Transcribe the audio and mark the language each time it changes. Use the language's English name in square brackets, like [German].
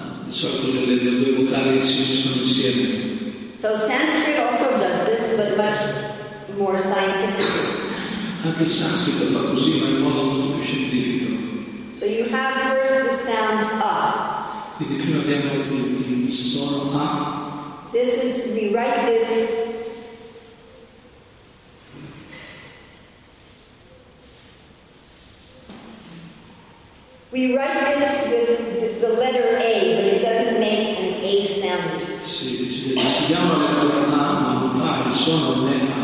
[English] So Sanskrit also does this, but much more scientifically. [Italian] Anche il sanscrito fa così, ma in modo molto più scientifico. [English] So you have first the sound a. [Italian] Quindi prima abbiamo il suono a. [English] This is, we write this. We write this with the letter A, but it doesn't make an A sound. [Italian] Scriviamo la lettera A, ma non fa il suono A.